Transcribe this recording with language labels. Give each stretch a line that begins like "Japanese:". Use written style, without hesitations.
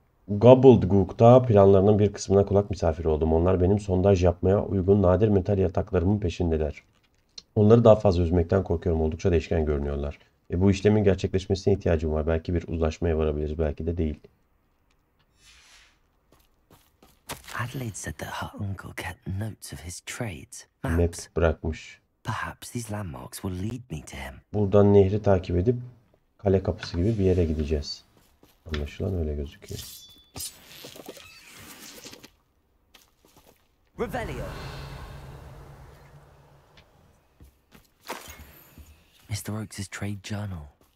Turkish: Gobbledgook'ta planlarının bir kısmına kulak misafiri oldum. Onlar benim sondaj yapmaya uygun nadir metal yataklarımın peşindeler. Onları daha fazla üzmekten korkuyorum. Oldukça değişken görünüyorlar. Ve bu işlemin gerçekleşmesine ihtiyacım var. Belki bir uzlaşmaya varabiliriz. Belki de değil.
English: Adelaide said that her uncle kept notes of his trade.
Turkish: Maps bırakmış.
English: Perhaps these landmarks will lead me to him.
Turkish: Buradan nehri takip edip kale kapısı gibi bir yere gideceğiz. Anlaşılan öyle gözüküyor. Revelio.
English: Mr. Oakes's trade journal.